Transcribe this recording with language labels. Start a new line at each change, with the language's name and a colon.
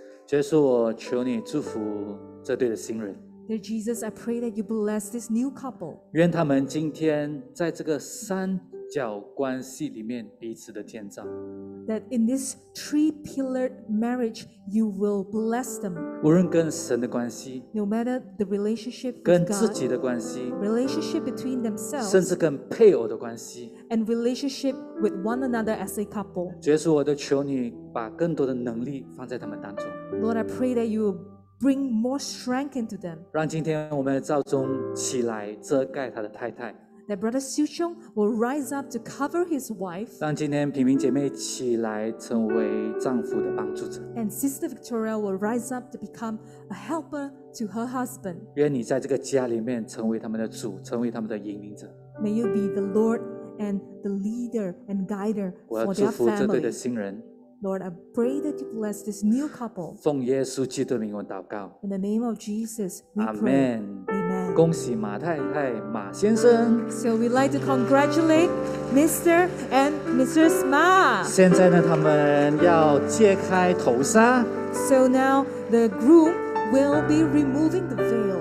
Chinese: 耶稣，我求你祝福这对的新人。
English: Dear Jesus, I pray that you bless this new couple.
Chinese: 愿他们今天在这个三角关系里面彼此的建造。
English: That in this three-pillared marriage, you will bless them.
Chinese: 无论跟神的关系，
English: no matter the relationship with
Chinese: God, 跟自己的关系，
English: relationship between themselves,
Chinese: 甚至跟配偶的关系，
English: and relationship with one another as a couple.
Chinese: 耶稣，我都求你把更多的能力放在他们当中。
English: Lord, I pray that you will bring more strength into them.
Chinese: 让今天我们的赵宗起来遮盖他的太太。
English: That Brother Su Zheng will rise up to cover his wife.
Chinese: 让今天平平姐妹起来成为丈夫的帮助者。
English: And Sister Victoria will rise up to become a helper to her husband.
Chinese: 愿你在这个家里面成为他们的主，成为他们的引领者。
English: May you be the Lord and the leader and guider for their family.
Chinese: 我要祝福这对的新人。
English: Lord, I pray that you bless this new couple.
Chinese: 奉耶稣基督的名我祷告。
English: In the name of Jesus, we pray. Amen. Amen.
Chinese: 恭喜马太太马先生。
English: So we'd like to congratulate Mr. and Mrs. Ma.
Chinese: 现在呢，他们要揭开头纱。
English: So now the groom will be removing the veil.